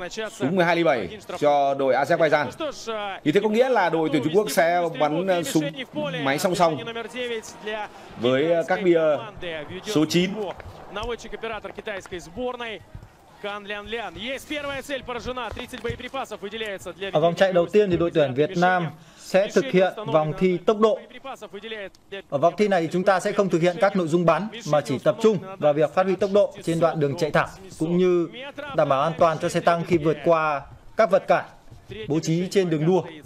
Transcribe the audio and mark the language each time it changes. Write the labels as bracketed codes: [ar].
[vi] Súng 2x7 cho đội Azerbaijan. Như thế có nghĩa là đội tuyển Trung Quốc sẽ bắn súng máy song song với các bia số 9. [ru] Наводчик оператор китайской сборной Кан Лян Лян. Есть первая цель поражена. 30 боеприпасов выделяется для. [vi] Ở vòng chạy đầu tiên thì đội tuyển Việt Nam sẽ thực hiện vòng thi tốc độ. Ở vòng thi này chúng ta sẽ không thực hiện các nội dung bắn mà chỉ tập trung vào việc phát huy tốc độ trên đoạn đường chạy thẳng cũng như đảm bảo an toàn cho xe tăng khi vượt qua các vật cản bố trí trên đường đua.